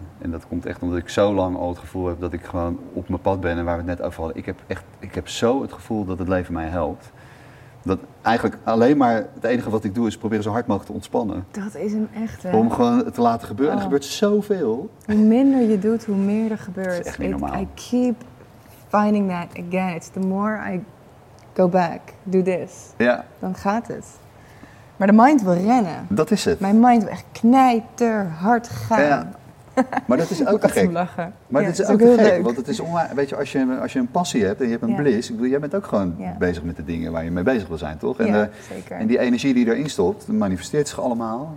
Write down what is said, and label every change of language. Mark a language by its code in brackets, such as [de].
[nl] En dat komt echt omdat ik zo lang al het gevoel heb dat ik gewoon op mijn pad ben. En waar we het net over hadden, ik heb zo het gevoel dat het leven mij helpt. Dat eigenlijk alleen maar het enige wat ik doe is proberen zo hard mogelijk te ontspannen. Dat is hem echt. Om gewoon te laten gebeuren. Oh. En er gebeurt zoveel. Hoe minder je doet, hoe meer er gebeurt. Dat is echt niet normaal. [en] I keep finding that again. It's the more I go back, do this. [nl] Ja. Dan gaat het. Maar de mind wil rennen. Dat is het. Mijn mind wil echt knijterhard gaan. Ja. Maar dat is ook gek. Maar dat is ook heel gek. Want het is weet je, als je een passie hebt en je hebt een bliss, ik bedoel, jij bent ook gewoon bezig met de dingen waar je mee bezig wil zijn, toch? En zeker. En die energie die erin stopt, manifesteert zich allemaal.